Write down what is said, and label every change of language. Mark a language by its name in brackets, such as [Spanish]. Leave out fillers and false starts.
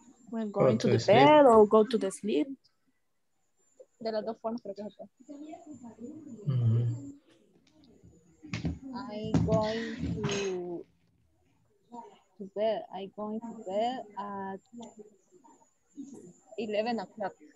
[English] When going to the bed or go to the sleep? [Spanish] De las dos formas creo que se puede. Mm-hmm. [English] I'm going to bed at 11 o'clock.